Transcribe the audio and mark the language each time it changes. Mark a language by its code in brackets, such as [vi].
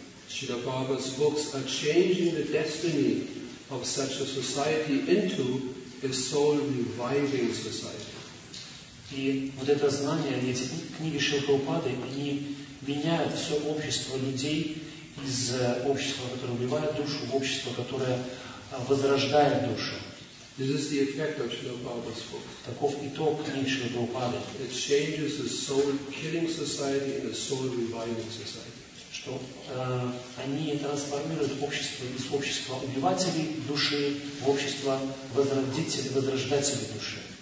[en] Srila Prabhupada's books are changing the destiny of such a society into a soul-reviving society. [ru] И вот это знание, эти книги Шрилы Прабхупады, они меняют все общество людей из общества, которое убивает душу, в общество, которое возрождает душу. [en] This is the effect of Srila Prabhupada's book. [ru] Таков итог книги Шрилы Прабхупады. [en] It changes the soul-killing society into a soul-reviving society. [ru] Что они трансформируют общество из общества убивателей души в общество возрождателей души.